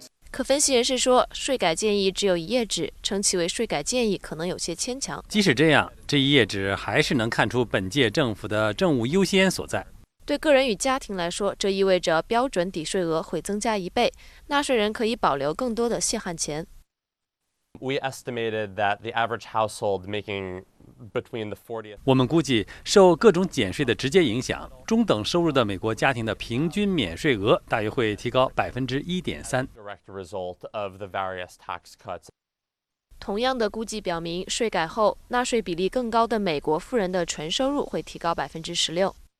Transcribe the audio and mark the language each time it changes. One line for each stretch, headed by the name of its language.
Chinese: 可分析人士说，税改建议只有一页纸，称其为税改建议可能有些牵强。即使这样，这一页纸还是能看出本届政府的政务优先所在。对个人与家庭来说，这意味着标准抵税额会增加一倍，纳税人可以保留更多的血汗钱。
English: We estimated that the average household making between the 40th.
Chinese: 我们估计，受各种减税的直接影响，中等收入的美国家庭的平均免税额大约会提高1.3%。
English: Direct result of the various tax cuts.
Chinese: 同样的估计表明，税改后，纳税比例更高的美国富人的纯收入会提高16%。